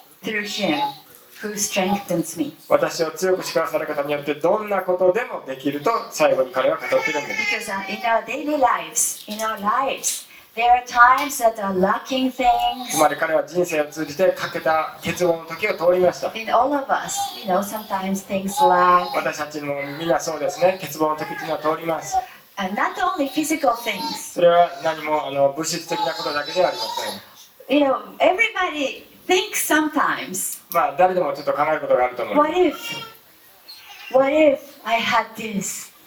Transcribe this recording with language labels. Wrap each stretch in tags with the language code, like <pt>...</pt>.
<ja>14節、14節、14節で、私を強くしてくださる方によってどんなことでもできると最後に彼は語っているんです。</ja> <en>Because in our daily lives, in our lives, there are times that are lacking things.</en> <ja>つまり彼は人生を通じて欠けた欠乏の時を通りました。</ja> <en>In all of us, you know, sometimes things lack.</en> <ja>私たちもみんなそうですね。欠乏の時というのは通ります。</ja> <en>And not only physical things.</en> <ja>それは何も物質的なことだけではありません。</ja> <en>You know, everybody thinks sometimes.</en> <ja>まあ誰でもちょっと考えることがあると思う。</ja> <en>What if I had this?</en>